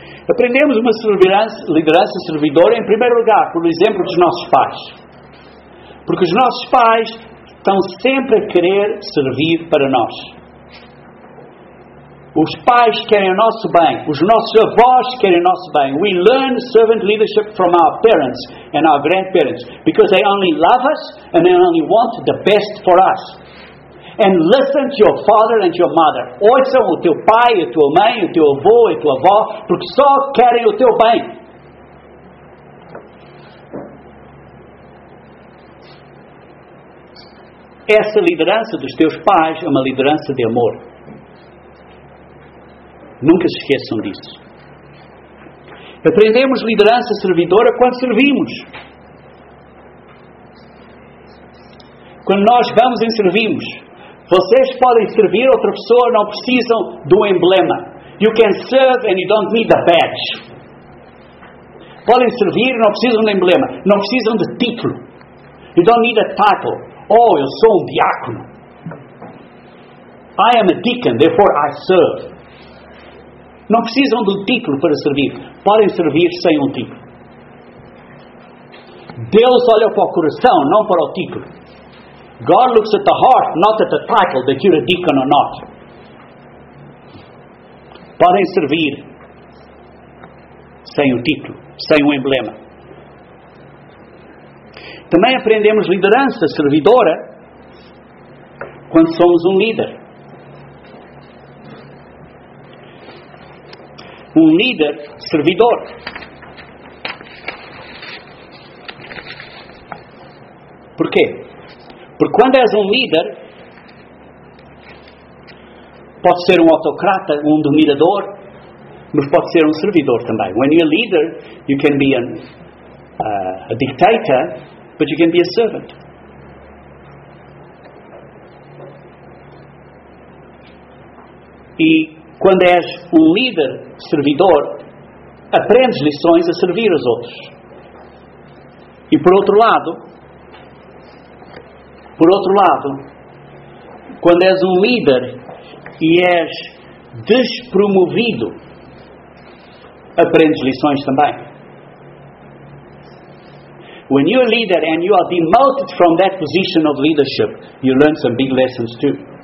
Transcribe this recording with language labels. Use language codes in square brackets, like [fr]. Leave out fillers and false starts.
[pt] Aprendemos uma liderança servidora em primeiro lugar, pelo exemplo dos nossos pais. Porque os nossos pais estão sempre a querer servir para nós. Os pais querem o nosso bem, os nossos avós querem o nosso bem. [en] We learn servant leadership from our parents and our grandparents because they only love us and they only want the best for us. And listen to your father and your mother. [pt] Ouçam o teu pai, a tua mãe, o teu avô e a tua avó, porque só querem o teu bem. Essa liderança dos teus pais é uma liderança de amor. Nunca se esqueçam disso. Aprendemos liderança servidora quando servimos. Quando nós vamos e servimos. Vocês podem servir outra pessoa, não precisam do emblema. [en] You can serve and you don't need a badge. [pt] Podem servir e não precisam do emblema. Não precisam de título. [en] You don't need a title. [pt] Oh, eu sou um diácono. [en] I am a deacon, therefore I serve. [pt] Não precisam de um título para servir. Podem servir sem um título. Deus olha para o coração, não para o título. [en] God looks at the heart, not at the title, that you're a deacon or not. [pt] Podem servir sem um título, sem um emblema. Também aprendemos liderança servidora quando somos um líder. Um líder servidor. Porquê? Porque quando és um líder, pode ser um autocrata, um dominador, mas pode ser um servidor também. [en] When you're a leader, you can be a dictator, but you can be a servant. [pt] E quando és um líder servidor, aprendes lições a servir os outros. E por outro lado, quando és um líder e és despromovido, aprendes lições também. [en] When you're a leader and you are demoted from that position of leadership, you learn some big lessons too.